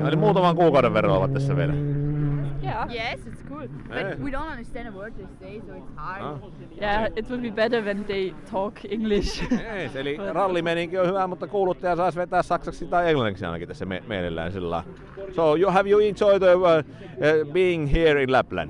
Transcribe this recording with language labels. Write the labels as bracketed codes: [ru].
[fi] Eli muutaman kuukauden verran ovat tässä vielä. [en] Yes, it's cool. But we don't understand a word they say, so it's hard. Huh? Yeah, it would be better when they talk English. [fi] Yes, eli rallimeninki on hyvä, mutta kuuluttaja saisi vetää saksaksi tai englanniksi ainakin tässä mielellään sillä. [en] So, you have you enjoyed being here in Lapland?